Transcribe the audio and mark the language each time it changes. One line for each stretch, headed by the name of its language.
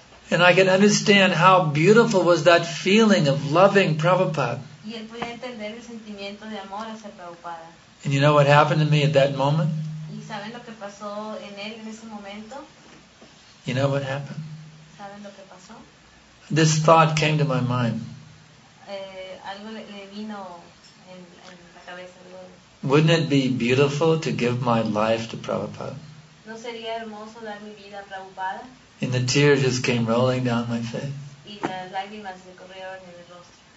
English: And I could understand how beautiful was that feeling of loving Prabhupada.
Spanish: Y él podía entender el sentimiento de amor hacia Prabhupada.
English: And you know what happened to me at that moment?
Spanish: ¿Y saben lo que pasó en él en ese momento?
English: You know what happened?
Spanish: ¿Saben lo que pasó?
English: This thought came to my mind.
Spanish: Algo le vino en la cabeza.
English: Wouldn't it be beautiful to give my life to Prabhupada?
Spanish: ¿No sería hermoso dar mi vida a Prabhupada?
English: And the tears just came rolling down my face.
Spanish: Y las lágrimas me corrieron en el rostro.